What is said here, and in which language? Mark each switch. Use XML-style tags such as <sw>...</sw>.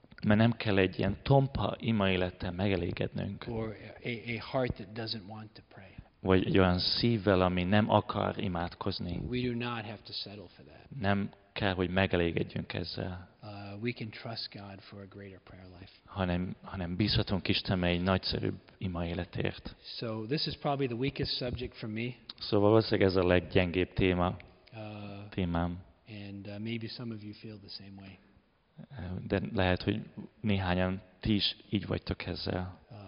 <hu>Mert nem kell egy ilyen tompa ima élettel megelégednünk.</hu> <en>Or a heart that doesn't want to pray.</en> <hu>Vagy egy olyan szívvel, ami nem akar imádkozni.</hu> <en>We do not have to settle for that.</en> <hu>Nem kell, hogy megelégedjünk ezzel.</hu> <en>We can trust God for a greater prayer life.</en> <hu>Hanem bízhatunk Istenbe egy nagyszerűbb ima életért.</hu> <en>So this is probably the weakest subject for me.</en> <hu>Szóval valószínűleg ez a leggyengébb témám.</hu> <en>And maybe some of you feel the same way.</en> <hu>De lehet, hogy néhányan ti is így vagytok ezzel.</hu>